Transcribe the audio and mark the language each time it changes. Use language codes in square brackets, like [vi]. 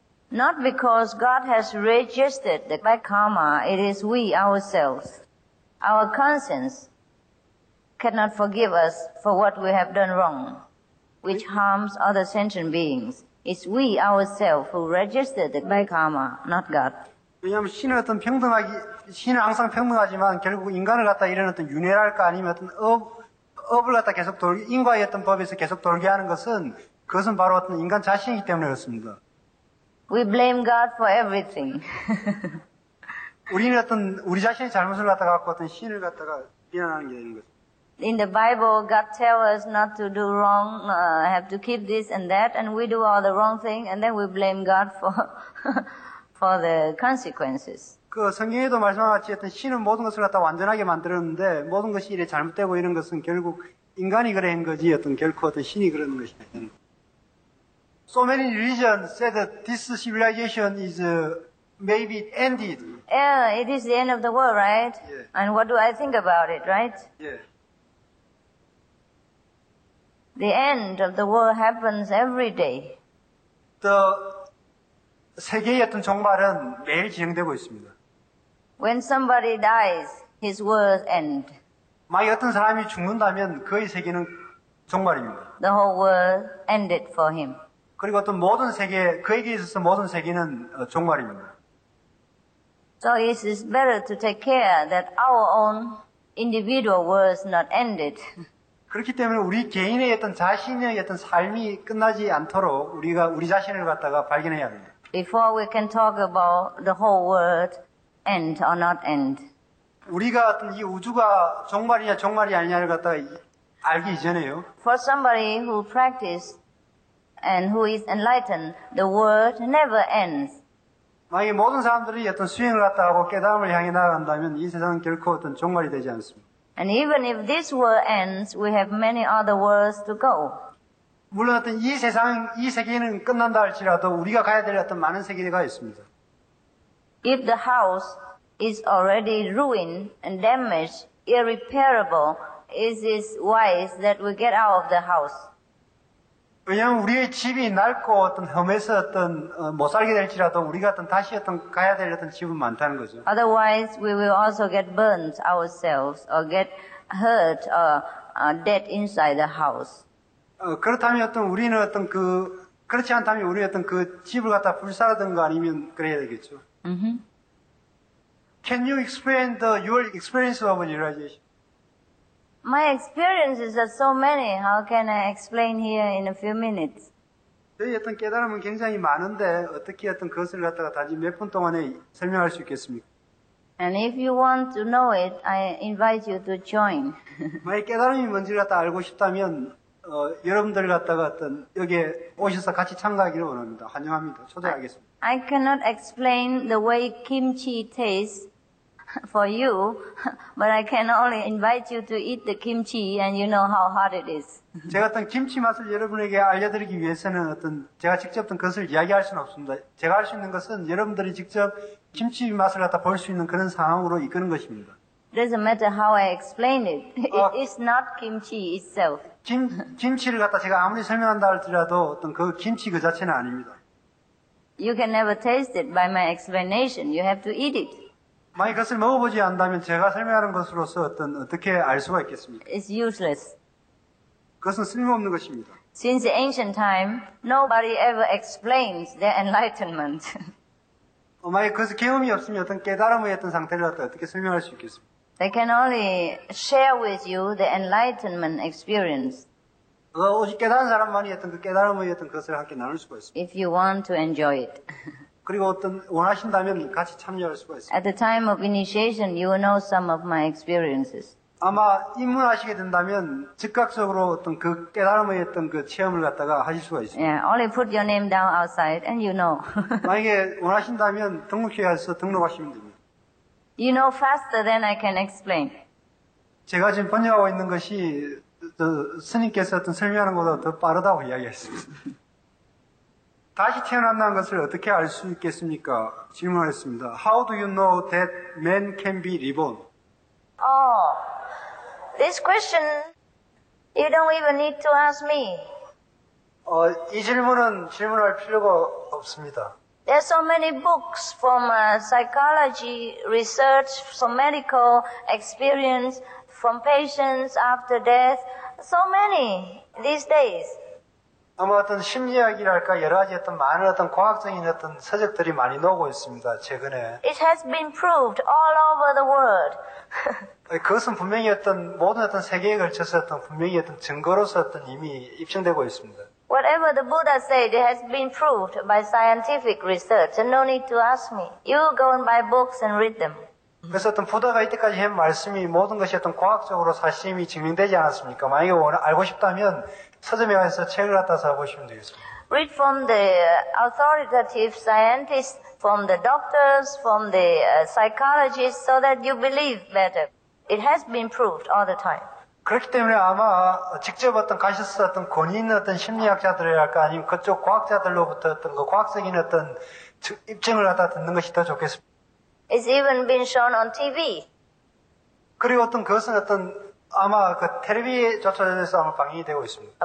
[en] Not because God has registered the bad karma. It is we ourselves. Our conscience cannot forgive us for what we have done wrong, which harms other sentient beings. It's we ourselves who registered the bad karma, not God. [ko] 왜냐하면 신은 어떤 평등하기 신은 항상 평등하지만 결국 인간을 갖다 이런 어떤 윤회랄까 아니면 어떤 업을 갖다 계속 돌게 인과의 어떤 법에서 계속 돌게 하는 것은 그것은 바로 어떤 인간 자신이기 때문에 그렇습니다. [en] We blame God for everything. [ko] 우리는 어떤 우리 자신의 잘못을 갖다 갖고 어떤 신을 갖다가 비난하는 게 되는 거죠. [en] In the Bible, God tells us not to do wrong, have to keep this and that, and we do all the wrong thing, and then we blame God for. For the consequences. [ko] 그 성경에도 말씀하셨지 어떤 신은 모든 것을 갖다 완전하게 만들었는데 모든 것이 이래 잘못되고 이런 것은 결국 인간이 그래 한 거지 어떤 결코 어떤 신이 그런 것이 아니에요. [en] So many religions said that this civilization is maybe ended. Yeah, it is the end of the world, right? Yeah. And what do I think about it, right? Yeah. The end of the world happens every day. [ko] The 세계의 어떤 종말은 매일 진행되고 있습니다. [en] When somebody dies, his world ends. [ko] 만약 어떤 사람이 죽는다면 그의 세계는 종말입니다. [en] The whole world ended for him. [ko] 그리고 어떤 모든 세계, 그에게 있어서 모든 세계는 종말입니다. [en] So it is better to take care that our own individual world is not ended. [ko] 그렇기 때문에 우리 개인의 어떤 자신의 어떤 삶이 끝나지 않도록 우리가 우리 자신을 갖다가 발견해야 합니다. [en] Before we can talk about the whole world end or not end. [ko] 우리가 어떤 이 우주가 종말이냐 종말이 아니냐를 갖다 알기 이전에요. [en] For somebody who practices and who is enlightened, the world never ends. [ko] 만약에 모든 사람들이 어떤 수행을 갖다 하고 깨달음을 향해 나아간다면 이 세상은 결코 어떤 종말이 되지 않습니다. [en] And even if this world ends, we have many other worlds to go. [ko] 물론 어떤 이 세상, 이 세계는 끝난다 할지라도 우리가 가야 될 어떤 많은 세계가 있습니다. [en] If the house is already ruined and damaged, irreparable, is it wise that we get out of the house? [ko] 왜냐하면 우리의 집이 낡고 어떤 험해서 어떤 못 살게 될지라도 우리가 어떤 다시 어떤 가야 될 어떤 집은 많다는 거죠. [en] Otherwise, we will also get burned ourselves or get hurt or dead inside the house. [ko] 그렇다면 어떤 우리는 어떤 그 그렇지 않다면 우리 어떤 그 집을 갖다 불사르든가 아니면 그래야 되겠죠. Mm-hmm. [en] Can you explain your experience of realization? My experiences are so many. How can I explain here in a few minutes? [ko] 저희 어떤 깨달음은 굉장히 많은데 어떻게 어떤 그것을 갖다가 단지 몇 분 동안에 설명할 수 있겠습니까? [en] And if you want to know it, I invite you to join. [ko] 만약 깨달음이 뭔지를 갖다 알고 싶다면 여러분들 갖다가 어떤 여기에 오셔서 같이 참가하기를 원합니다. 환영합니다. 초대하겠습니다. [en] I cannot explain the way kimchi tastes for you, but I can only invite you to eat the kimchi and you know how hot it is. [ko] 제가 어떤 김치 맛을 여러분에게 알려드리기 위해서는 어떤 제가 직접 어떤 것을 이야기할 수는 없습니다. 제가 할 수 있는 것은 여러분들이 직접 김치 맛을 갖다 볼 수 있는 그런 상황으로 이끄는 것입니다. [en] Doesn't matter how I explain it. It is not kimchi itself. [ko] 김치를 갖다 제가 아무리 설명한다 할지라도 어떤 그 김치 그 자체는 아닙니다. [en] You can never taste it by my explanation. You have to eat it. [ko] 만약 그것을 먹어보지 않는다면 제가 설명하는 것으로서 어떻게 알 수가 있겠습니까? [en] It's useless. [ko] 그것은 쓸모없는 것입니다. [en] Since the ancient time, nobody ever explains their enlightenment. [ko] 만약 그것을 경험이 없으면 어떤 깨달음의 어떤 상태를 어떻게 설명할 수 있겠습니까? [en] They can only share with you the enlightenment experience. [ko] 오직 깨달은 사람만이 어떤 그 깨달음의 어떤 것을 함께 나눌 수가 있습니다. [en] If you want to enjoy it. [ko] 그리고 어떤 원하신다면 같이 참여할 수가 있습니다. [en] At the time of initiation, you will know some of my experiences. [ko] 아마 입문하시게 된다면 즉각적으로 어떤 그 깨달음의 어떤 그 체험을 갖다가 하실 수가 있습니다. [en] Yeah, only put your name down outside and you know. [ko] 만약에 원하신다면 등록회에서 등록하시면 됩니다. [en] You know faster than I can explain. [ko] 제가 지금 번역하고 있는 것이 스님께서 어떤 설명하는 것보다 더 빠르다고 이야기했습니다. 다시 태어난다는 것을 어떻게 알 수 있겠습니까? 질문을 했습니다. [en] How do you know that man can be reborn? Oh, this question you don't even need to ask me. [ko] 이 질문은 질문할 필요가 없습니다. [en] There are so many books from psychology research, from medical experience, from patients after death. So many these days. [ko] 아마 어떤 심리학이랄까 여러 가지 어떤 많은 어떤 과학적인 어떤 서적들이 많이 나오고 있습니다 최근에. [en] It has been proved all over the world. [ko] 그것은 분명히 어떤 모든 어떤 세계에 걸쳐서 어떤 분명히 어떤 증거로서 어떤 이미 입증되고 있습니다. [en] Whatever the Buddha said, it has been proved by scientific research. And no need to ask me. You go and buy books and read them. [ko] 그래서 어떤 부다가 이때까지 한 말씀이 모든 것이 어떤 과학적으로 사실이 증명되지 않았습니까? 만약에 원을 알고 싶다면 서점에 가서 책을 갖다 사보시면 되겠습니다. [en] Read from the authoritative scientists, from the doctors, from the psychologists, so that you believe better. It has been proved all the time. [ko] 그렇기 때문에 아마 직접 어떤 가셔서 어떤 권위 있는 어떤 심리학자들이랄까 아니면 그쪽 과학자들로부터 어떤 그 과학적인 어떤 입증을 갖다 듣는 것이 더 좋겠습니다. [en] It's even been shown on TV. [ko] 그리고 어떤 그것은 어떤 아마 그 텔레비전에서 아마 방영이 되고 있습니다.